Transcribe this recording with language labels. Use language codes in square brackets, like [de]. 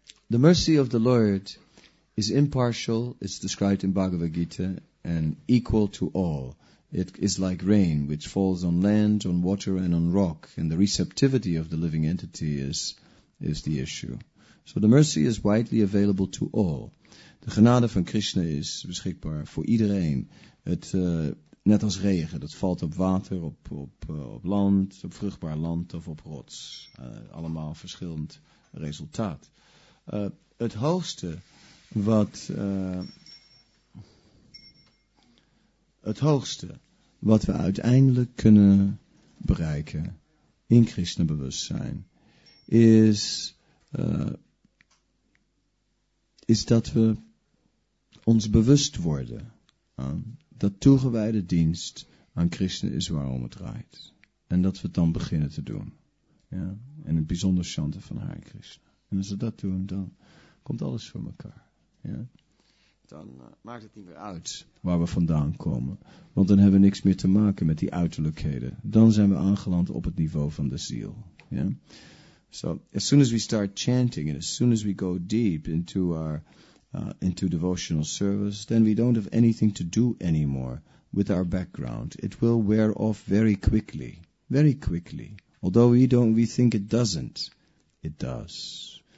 [en] The mercy of the Lord is impartial, it's described in Bhagavad Gita, and equal to all. It is like rain, which falls on land, on water, and on rock, and the receptivity of the living entity is the issue. So the mercy is widely available to all. [nl] De genade van Krishna is beschikbaar voor iedereen. Het, net als regen, dat valt op water, op land, op vruchtbaar land of op rots. Allemaal verschillend resultaat. Het hoogste wat... het hoogste wat we uiteindelijk kunnen bereiken in Krishna bewustzijn is dat we ons bewust worden dat toegewijde dienst aan Krishna is waarom het draait. En dat we het dan beginnen te doen. Ja? En het bijzonder chanten van Hare Krishna. En als we dat doen, dan komt alles voor elkaar. Ja? Dan maakt het niet meer uit waar we vandaan komen. Want dan hebben we niks meer te maken met die uiterlijkheden. Dan zijn we aangeland op het niveau van de ziel. Ja? [en] So as soon as we start chanting and as soon as we go deep into our into devotional service, then we don't have anything to do anymore with our background. It will wear off very quickly, very quickly. Although we think it doesn't, it does.